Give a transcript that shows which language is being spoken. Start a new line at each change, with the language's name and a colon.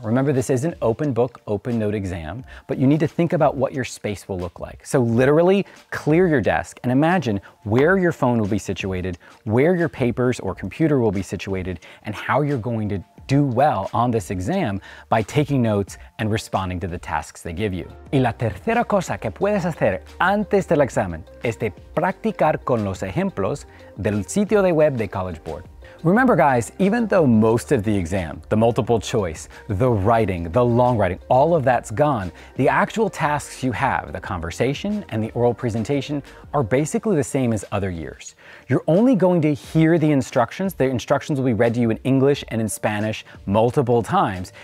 English: Remember, this is an open book, open note exam, but you need to think about what your space will look like. So literally clear your desk and imagine where your phone will be situated, where your papers or computer will be situated, and how you're going to do well on this exam by taking notes and responding to the tasks they give you.
Spanish: Y la tercera cosa que puedes hacer antes del examen es de practicar con los ejemplos del sitio de web de College Board.
English: Remember guys, even though most of the exam, the multiple choice, the writing, the long writing, all of that's gone, the actual tasks you have, the conversation and the oral presentation, are basically the same as other years. You're only going to hear the instructions. The instructions will be read to you in English and in Spanish multiple times.